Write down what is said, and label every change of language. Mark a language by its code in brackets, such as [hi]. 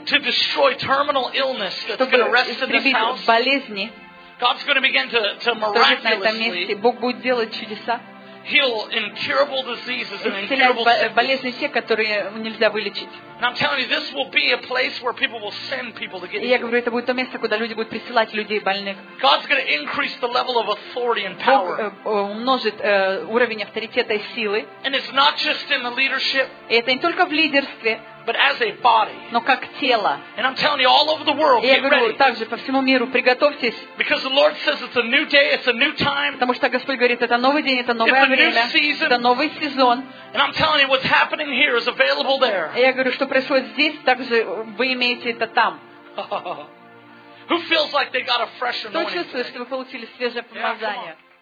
[en] To destroy terminal illness that's going to rest in this house. [ru] Чтобы истребить болезни. [en] God's going to begin to miraculously. [ru] Бог будет делать чудеса. [en] Heal incurable diseases and incurable sicknesses. [ru] Болезни те, которые нельзя вылечить. [en] And I'm telling you, this will be a place where people will send people to get. [ru] Я говорю, это будет то место, куда люди будут присылать людей больных. [en] God's going to increase the level of authority and power. [ru] Бог умножит уровень авторитета и силы. [en] And it's not just in the leadership. [ru] Это не только в лидерстве. [en] But as a body. [ru] Но как тело. [en] And I'm telling you, all over the world, get ready. [ru] Я говорю также по всему миру, приготовьтесь. [en] Because the Lord says it's a new day, it's a new time. [ru] Потому что Господь говорит, это новый день, это новое время. [en] It's a new season. [ru] Это новый сезон. [en] And I'm telling you, what's happening here is available there. [ru] Я говорю, что происходит здесь, также вы имеете это там. [en] Who feels like they got a fresh anointing? [ru] Кто чувствует, что вы получили свежее помазание?